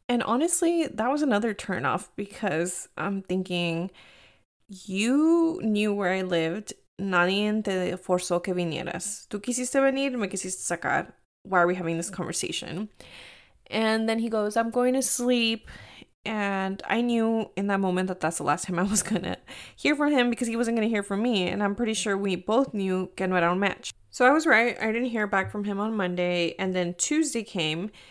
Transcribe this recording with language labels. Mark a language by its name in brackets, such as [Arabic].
[English] And honestly, that was another turnoff because I'm thinking, you knew where I lived. [Spanish] Nadie te forzó que vinieras. Tú quisiste venir, me quisiste sacar. [English] Why are we having this conversation? And then he goes, I'm going to sleep. And I knew in that moment that that's the last time I was going to hear from him because he wasn't going to hear from me. And I'm pretty sure we both knew [Spanish] que no era un match. [English] So I was right. I didn't hear back from him on Monday. And then Tuesday came.